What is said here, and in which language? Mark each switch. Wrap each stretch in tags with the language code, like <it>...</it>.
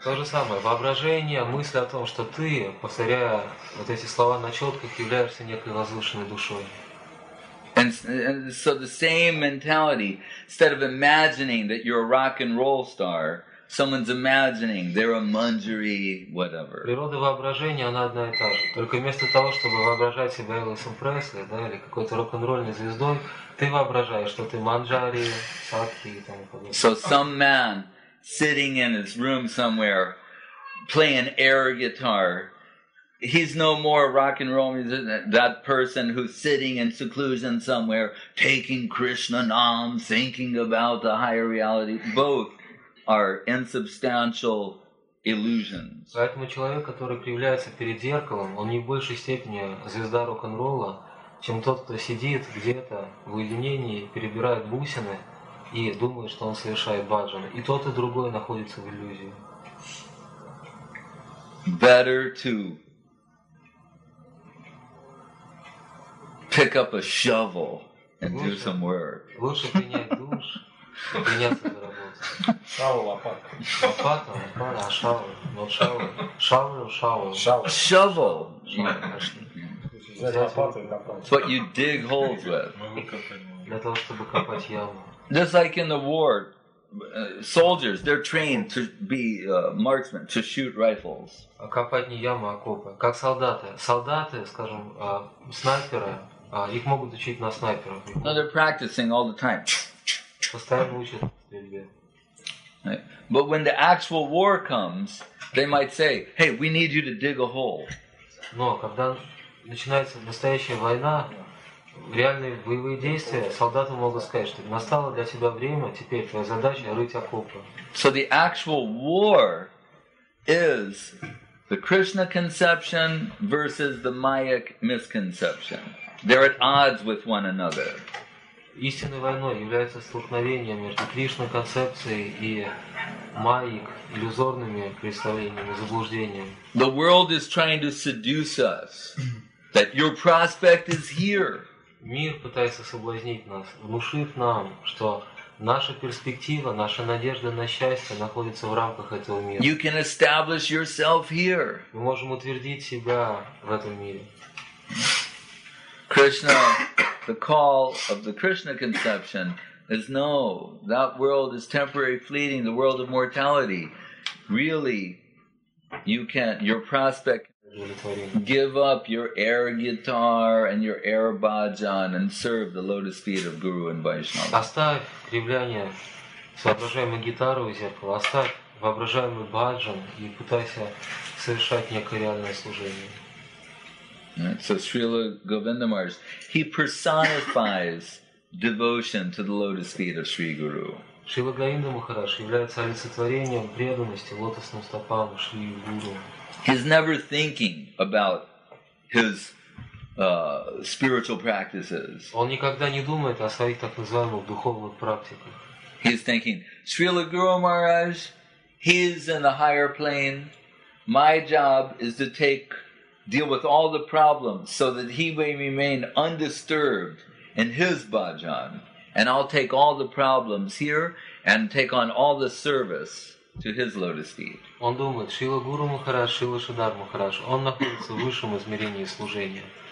<ru>То же самое, воображение, мысль о том, что ты, повторяя вот эти слова на четках, являешься некой возвышенной душой.</ru> <en>And so the same mentality, instead of imagining that you're a rock and roll star, someone's imagining they're a Manjari, whatever.</en> <ru>Природа воображения, она одна и та же. Только вместо того, чтобы воображать себя Элвисом Пресли, да, или какой-то рок-н-ролльной звездой, ты воображаешь, что ты Манджари, Садхи и тому подобное.</ru> <en>So some man sitting in his room somewhere playing air guitar, he's no more rock and roll musician than that person who's sitting in seclusion somewhere, taking Krishna Nam, thinking about the higher reality. Both are insubstantial illusions.</en> <ru>Поэтому человек, который появляется перед зеркалом, он не в большей степени звезда рок-н-ролла, чем тот, кто сидит где-то в уединении, перебирает бусины и думает, что он совершает баджан. И тот, и другой находится в иллюзии.</ru> <en>Better to pick up a shovel and do some work.</en> <ru>Лучше принять душ, приняться за работу. Шавел, лопатка. Лопатка, лопатка, шавел. Ну, шавел. Шавел, шавел. Shovel.</ru> <en>It's what you dig holes with.</en> <ru>Для того, чтобы копать яму.</ru> <en>Just like in the war, soldiers, they're trained to be marksmen, to shoot rifles.</en> <ru>Копать не яму, а копы. Как солдаты. Солдаты, скажем, снайперы, их могут учить на снайперов.</ru> <en>No, they're practicing all the time.</en> <ru>Постоянно учат стрельбе.</ru> <en>But when the actual war comes, they might say, "Hey, we need you to dig a hole."</en> <ru>Но когда начинается настоящая война, реальные боевые действия, солдаты могут сказать, что настало для тебя время, теперь твоя задача рыть окопы.</ru> <en>So the actual war is the Krishna conception versus the Maya misconception. They're at odds with one another.</en> <ru>Истинной войной является столкновение между Кришной концепцией и майик, иллюзорными представлениями, заблуждениями.</ru> <en>The world is trying to seduce us that your prospect is here.</en> <ru>Мир пытается соблазнить нас, внушив нам, что наша перспектива, наша надежда на счастье находится в рамках этого мира.</ru> <en>You can establish yourself here.</en> <ru>Мы можем утвердить себя в этом мире.</ru> <en>Krishna, the call of the Krishna conception is no, that world is temporary, fleeting, the world of mortality. Really, you can't, your prospect, give up your air guitar and your air bhajan and serve the lotus feet of Guru and Vaishnava.</en> <ru>Оставь кривляние с воображаемой гитарой и зеркалом, оставь воображаемый бхаджан и пытайся совершать некое реальное служение.</ru> <en>So Srila Govinda Maharaj, he personifies devotion to the lotus feet of Sri Guru.</en> <ru>Srila Govinda Maharaj является олицетворением преданности лотосным стопам Шри Гуру.</ru> <en>He's never thinking about his spiritual practices.</en> <ru>Он никогда не думает о своих так называемых духовных практиках.</ru> <en>He's thinking, Srila Guru Maharaj, he's in the higher plane. My job is to deal with all the problems so that he may remain undisturbed in his bhajan, and I'll take all the problems here and take on all the service to his lotus feet.</en> <ru>Он думает, Шрила Гуру Махарадж, Шрила Шридхар Махарадж, он находится в высшем измерении служения.</ru>